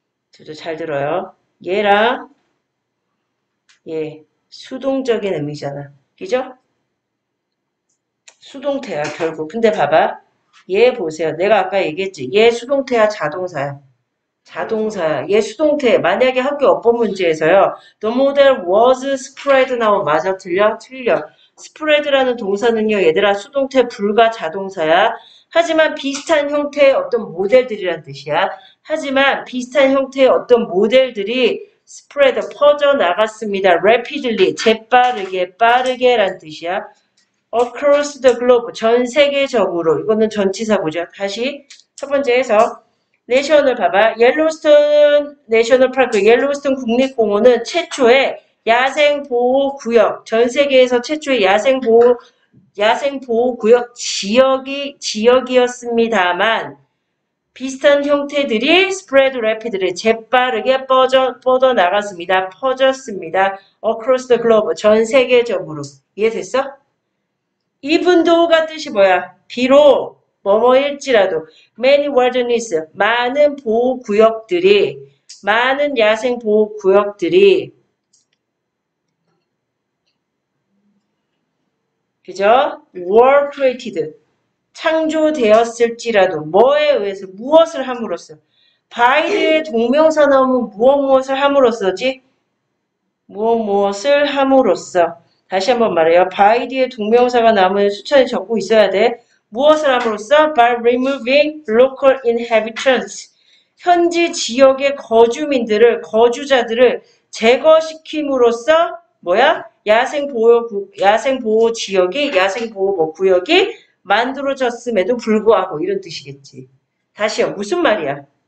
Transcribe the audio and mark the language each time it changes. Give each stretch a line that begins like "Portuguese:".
Korean: 저도 잘 들어요. 얘랑 얘 수동적인 의미잖아. 그죠? 수동태야 결국. 근데 봐봐. 얘 보세요. 내가 아까 얘기했지. 얘 수동태야 자동사야. 자동사야. 얘 수동태. 만약에 학교 어법 문제에서요.
English: The model was spread
Korean: 나오면 맞아? 틀려? 틀려. spread라는 동사는요. 얘들아, 수동태 불가 자동사야. 하지만 비슷한 형태의 어떤 모델들이란 뜻이야. 하지만 비슷한 형태의 어떤 모델들이 spread, 퍼져나갔습니다. rapidly, 재빠르게, 빠르게란 뜻이야.
English: across the globe,
Korean: 전 세계적으로. 이거는 전치사구죠. 다시. 첫 번째 해석. 내셔널 봐봐. 옐로스톤 내셔널 파크, 옐로스톤 국립공원은 최초의 야생 보호 구역, 전 세계에서 최초의 야생 보호 구역 지역이었습니다만 비슷한 형태들이 스프레드 래피드를 재빠르게 뻗어 나갔습니다. 퍼졌습니다.
English: across the globe,
Korean: 전 세계적으로. 이해됐어? even though가 뜻이 뭐야? 비록 뭐뭐일지라도
English: many wilderness
Korean: 많은 보호 구역들이 많은 야생 보호 구역들이 그죠?
English: were created
Korean: 창조되었을지라도 뭐에 의해서 무엇을 함으로써 by의 동명사 나오면 무엇무엇을 함으로써지? 무엇무엇을 함으로써 다시 한번 말해요. by의 동명사가 나오면 수차례 적고 있어야 돼. 무엇을 함으로써?
English: By removing local inhabitants.
Korean: 현지 지역의 거주민들을, 거주자들을 제거시킴으로써, 뭐야? 야생보호 지역이, 야생보호 뭐 구역이 만들어졌음에도 불구하고, 이런 뜻이겠지. 다시요. 무슨 말이야?